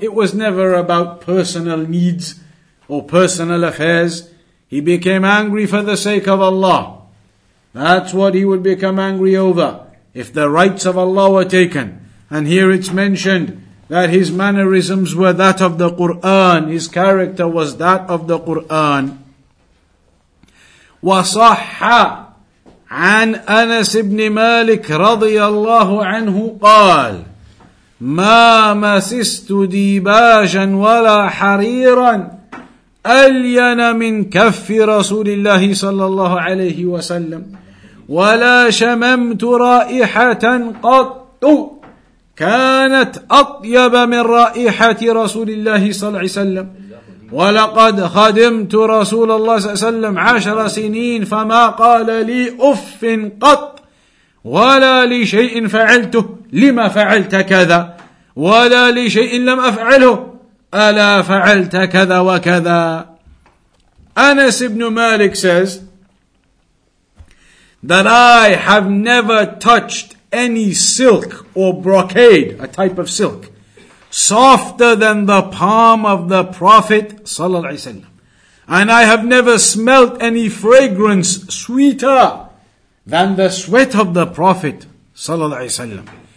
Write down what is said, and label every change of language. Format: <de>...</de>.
<en>It was never about personal needs or personal affairs. He became angry for the sake of Allah. That's what he would become angry over, if the rights of Allah were taken. And here it's mentioned that his mannerisms were that of the Qur'an. His character was that of the Qur'an.</en> <ar>وَصَحَّ عن أنس بن مالك رضي الله عنه قال ما مسست ديباجا ولا حريرا ألين من كف رسول الله صلى الله عليه وسلم ولا شممت رائحة قط كانت أطيب من رائحة رسول الله صلى الله عليه وسلم ولقد خدمت رسول الله صلى الله عليه وسلم 10 سنين فما قال لي أف قط ولا لشيء فعلته لما فعلت كذا ولا لشيء لم أفعله ألا فعلت كذا وكذا.</ar> <en>Anas ibn Malik says that I have never touched any silk or brocade, a type of silk, softer than the palm of the Prophet sallallahu alaihi wasallam. And I have never smelt any fragrance sweeter than the sweat of the Prophet sallallahu alaihi wasallam.</en>